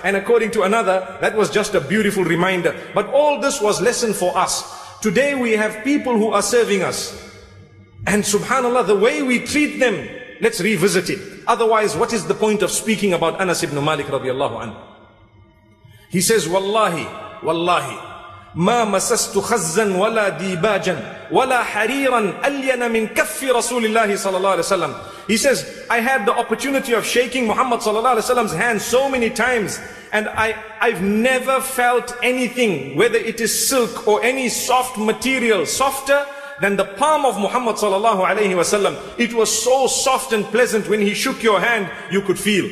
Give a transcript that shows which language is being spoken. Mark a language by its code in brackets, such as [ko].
[en] And according to another, that was just a beautiful reminder. But all this was lesson for us. Today we have people who are serving us. And subhanallah, the way we treat them, let's revisit it. Otherwise, what is the point of speaking about Anas ibn Malik radiallahu anhu? He says, Wallahi, wallahi. [ar] ما مسست خزا ولا ديباجا ولا حريرا ألين من كف رسول الله صلى الله عليه وسلم. [en] He says, I had the opportunity of shaking Muhammad صلى الله عليه وسلم's hand so many times, and I've never felt anything, whether it is silk or any soft material, softer than the palm of Muhammad صلى الله عليه وسلم. It was so soft and pleasant when he shook your hand, you could feel.